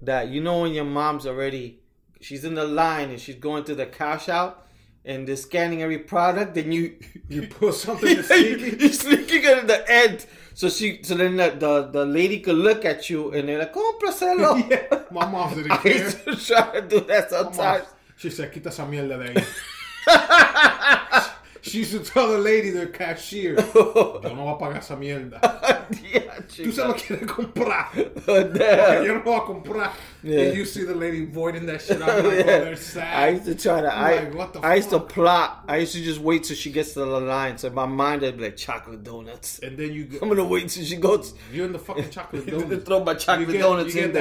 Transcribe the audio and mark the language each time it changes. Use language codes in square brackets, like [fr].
[en] That, you know, when your mom's already, she's in the line and she's going to the cash out and they're scanning every product, then you you put something sneaky. You're sneaking it at the end. So then the lady could look at you and they're like, compraselo. Yeah, my mom's in the care. I used to try to do that sometimes. She said, [es] quita esa mierda de ahí. [en] She used to tell the lady, the cashier, [es] yo no voy a pagar esa mierda. Tú se lo quieres comprar. Yo no voy a comprar. [en] And you see the lady voiding that shit out. Like, oh, they're sad. I used to try to, like, I used to plot. I used to just wait till she gets to the line. So in my mind, I'd be like, chocolate donuts. And then you go, I'm going to wait till she goes. You're in the fucking chocolate donuts. You throw my chocolate donuts in there.